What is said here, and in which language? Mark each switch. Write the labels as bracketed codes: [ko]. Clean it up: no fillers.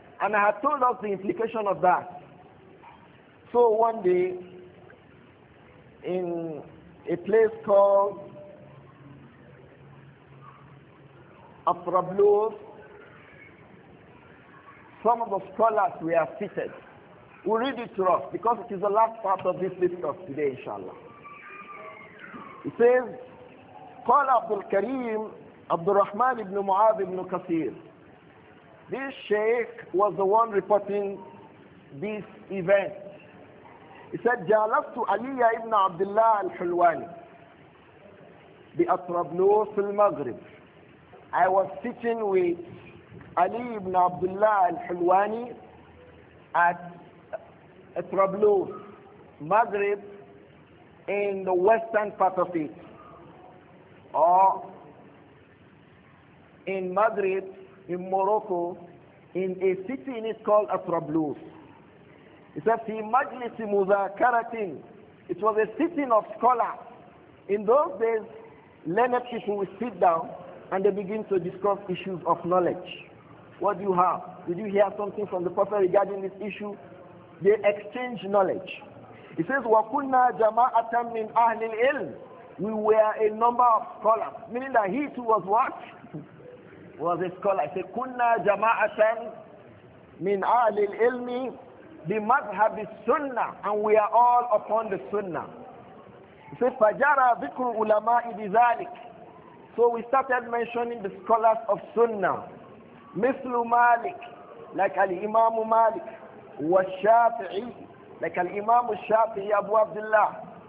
[en] And I had told us the implication of that. So one day, in a place called Afrablos, some of the scholars were seated. We'll read it to us because it is the last part of this discourse today, inshallah. It says, [ar] قال عبد الكريم عبد الرحمن بن معاذ بن كثير. [en] This sheikh was the one reporting this event. He said, [ar] جالست علي بن عبد الله الحلواني بأطرابلس المغرب. [en] I was sitting with علي بن عبد الله الحلواني at أطرابلس المغرب in the western part of it. Or in Madrid, in Morocco, in a city in it called Atrablus. It says, [ar] في مجلس مذاكرة. [en] It was a sitting of scholars. In those days, learned people would sit down and they begin to discuss issues of knowledge. What do you have? Did you hear something from the Prophet regarding this issue? They exchange knowledge. It says, [ar] وَكُنَّا جَمَاعَةً مِّنْ أَهْلِ الْإِلْمِ. [en] We were a number of scholars, meaning that he too was what? Was a scholar. I said, [ar] "Kunna jama'atan min ahli al-ilmi bi madhhab al-sunnah," [en] and we are all upon the sunnah. He said, [ar] "Fajara dhikru ulama'i bidhalik." [en] So we started mentioning the scholars of sunnah, [ar] mithlu [en] Malik, like al-Imam Malik, wa Shafi'i, like al-Imam Shafi'i Abu Abdullah.